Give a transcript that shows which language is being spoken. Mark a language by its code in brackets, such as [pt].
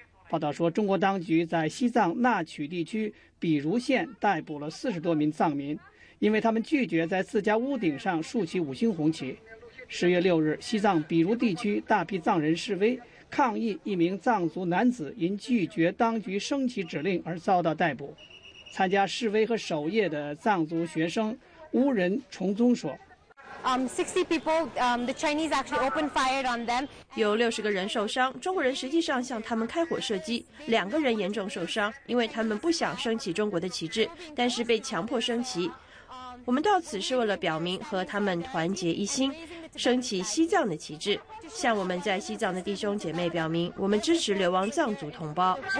[zh] 报道说，中国当局在西藏纳曲地区比如县逮捕了40多名藏民，因为他们拒绝在自家屋顶上竖起五星红旗。 10月6日，西藏比如地区大批藏人示威抗议一名藏族男子因拒绝当局升旗指令而遭到逮捕。参加示威和守夜的藏族学生乌仁崇宗说 [en] 60 people, the Chinese actually opened fire on them. [zh] 有60个人受伤，中国人实际上向他们开火射击，2个人严重受伤，因为他们不想升起中国的旗帜，但是被强迫升旗。我们到此是为了表明和他们团结一心，升起西藏的旗帜，向我们在西藏的弟兄姐妹表明，我们支持流亡藏族同胞。